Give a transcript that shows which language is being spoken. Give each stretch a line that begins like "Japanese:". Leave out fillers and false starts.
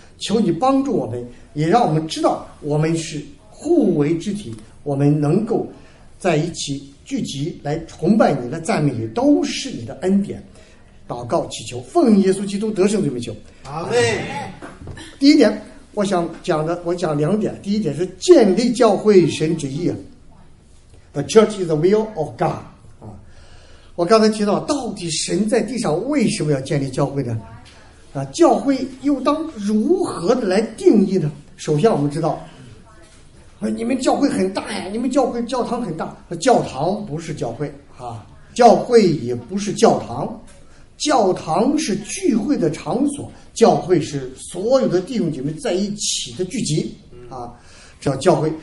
Chinese: 求你帮助我们，也让我们知道我们是互为肢体，我们能够在一起聚集来崇拜你的赞美你，都是你的恩典。祷告祈求奉耶稣基督得胜的名求，阿门。第一点我想讲的，我讲两点。第一点是建立教会神旨意，
English: The church is the will of God。
Chinese: 我刚才提到到底神在地上为什么要建立教会呢？教会又当如何来定义呢？首先我们知道你们教会很大呀，你们教会教堂很大，教堂不是教会啊，教会也不是教堂，教堂是聚会的场所，教会是所有的弟兄姐妹在一起的聚集啊，叫教会。